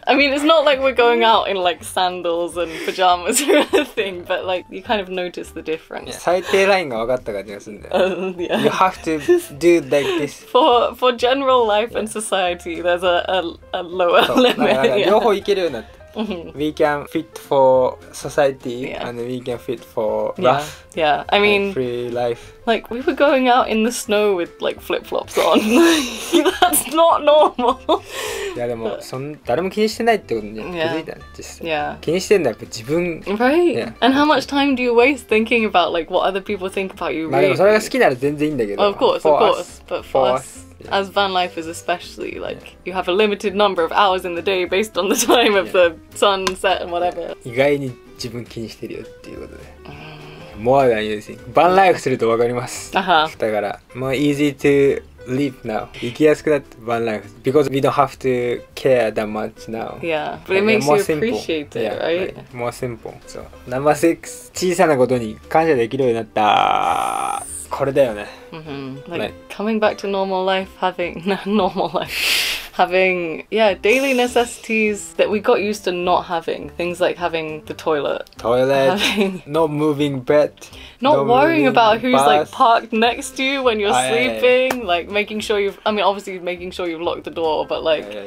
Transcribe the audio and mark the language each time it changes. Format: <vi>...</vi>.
<en>I mean, it's not like we're going out in like sandals and pajamas or anything, but like, you kind of notice the difference. Yeah.</en> <ja>最低ラインが分かった感じがするんだよ。</ja> <en>Yeah. You have to do like this. For general life、yeah. and society, there's a lower limit.</en> <ja>なんか両方いけるようになって。</ja> <en>We can fit for society、yeah. and we can fit for rough. Yeah, yeah. I mean, free life. Like, we were going out in the snow with like flip flops on. That's not normal.</en> <ja>Yeah, でも誰も気にしてないってことに気づいたね。</ja> <en>Yeah.</en> <ja>気にしてんだやっぱ自分。</ja> <en>Right.、Yeah. And how much time do you waste thinking about like what other people think about you? Really?</en> <ja>まあでもそれが好きなら全然いいんだけど。</ja> <en>Of course, of course. But for us. Yeah. As van lifers especially, like,、yeah. you have a limited number of hours in the day based on the time of、yeah. the sunset and whatever.</en> <ja>意外に自分気にしてるよっていうことで。</ja> <en>More than using. Van life</en> <ja>するとわかります。</ja> <en>Uh-huh.</en> <ja>だから、</ja> <en>more easy to live now.</en> <ja>生きやすくなって</ja> <en>van life. Because we don't have to care that much now. Yeah, but it makes you appreciate it, right? Yeah, like, more simple. So, number six.</en> <ja>小さなことに感謝できるようになった。これだよね。</ja> <en>Mm-hmm. Like, right. coming back to normal life, having... normal life. Having, yeah, daily necessities that we got used to not having. Things like having the toilet. Toilet. Having, not moving bed. Not worrying about who's, like, parked next to you when you're sleeping. Yeah, yeah. Like, making sure you've... I mean, obviously, making sure you've locked the door, but, like, yeah, yeah.</en>